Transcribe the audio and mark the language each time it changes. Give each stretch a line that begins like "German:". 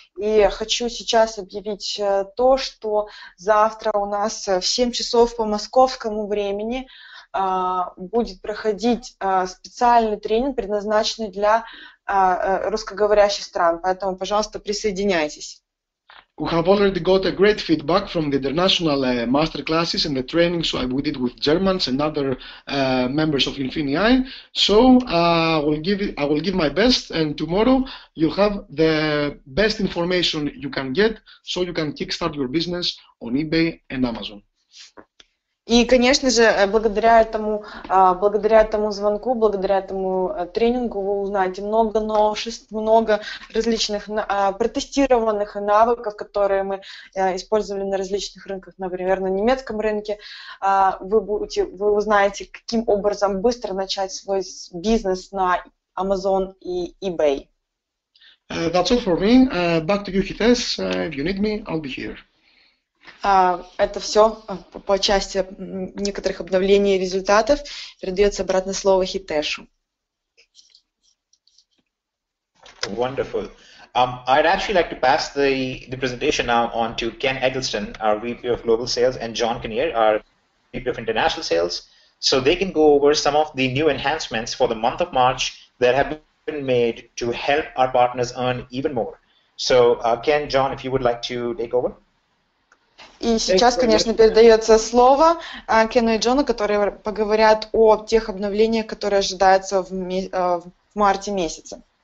Russian: И хочу сейчас объявить то, что завтра у нас в 7 часов по московскому времени будет проходить специальный тренинг, предназначенный для русскоговорящих стран. Поэтому, пожалуйста, присоединяйтесь.
English: We have already got a great feedback from the international master classes and the trainings we did with Germans and other members of Infinii. So I will give my best, and tomorrow you'll have the best information you can get, so you can kickstart your business on eBay and Amazon. И, конечно же, благодаря этому звонку, благодаря этому тренингу вы узнаете много новшеств, много различных протестированных навыков, которые мы использовали на различных рынках, например, на немецком рынке. Вы узнаете, каким образом быстро начать свой бизнес на Amazon и eBay. That's all for me. Back to you, Hites. If you need me, I'll be here.
Russian: Это все по части некоторых обновлений и результатов. Передается обратно слово Хитешу.
English: Wonderful. I'd actually like to pass the presentation now on to Ken Eggleston, our VP of Global Sales, and John Kinnear, our VP of International Sales, so they can go over some of the new enhancements for the month of March that have been made to help our partners earn even more. So, Ken, John, if you would like to take over.
Russian: И сейчас, конечно, передается слово Кену и Джону, которые поговорят о тех обновлениях, которые ожидаются в марте месяце.